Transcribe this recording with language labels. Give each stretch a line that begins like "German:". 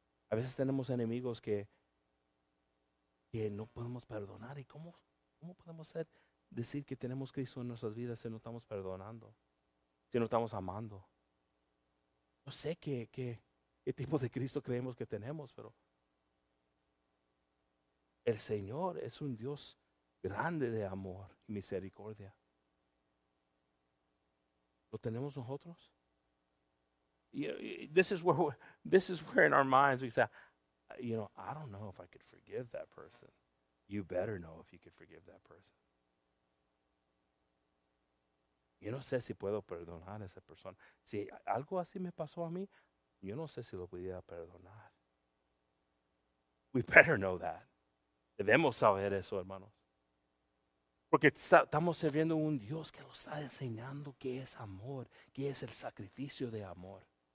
Spanish: A veces tenemos enemigos que no podemos perdonar. ¿Y cómo podemos decir que tenemos Cristo en nuestras vidas si no estamos perdonando? Si no estamos amando. No sé qué tipo de Cristo creemos que tenemos, pero el Señor es un Dios grande de amor y misericordia. ¿Lo tenemos nosotros?
English: This is where in our minds we say, you know, I don't know if I could forgive that person. You better know if you could forgive that person.
Spanish: Yo no sé si puedo perdonar a esa persona. Si algo así me pasó a mí, yo no sé si lo pudiera perdonar.
English: We better know that.
Spanish: Debemos saber eso, hermanos. Porque estamos sirviendo un Dios que nos está enseñando qué es amor, qué es el sacrificio de amor.